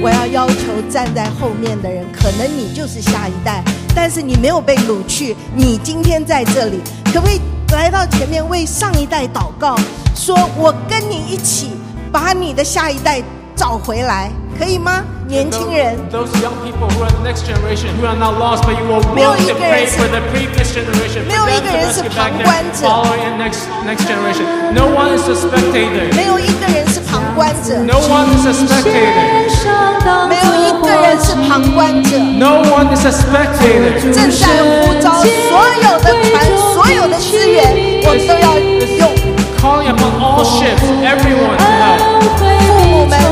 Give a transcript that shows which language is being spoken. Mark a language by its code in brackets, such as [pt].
[zh] 我要要求站在后面的人，可能你就是下一代，但是你没有被掳去，你今天在这里，可不可以来到前面为上一代祷告，说我跟你一起把你的下一代找回来，可以吗？你年轻人 [en] those young people who are the next generation who are not lost but you will want to pray for the previous generation [zh] 没有一个人是旁观者 [en] following next generation no one is a spectator [zh] 没有一个人是旁观者 [en] no one is a spectator [zh] 没有一个人是旁观者 [en] no one is a spectator [zh] 正在呼召所有的船所有的资源我都要用 [en] calling upon all ships everyone to help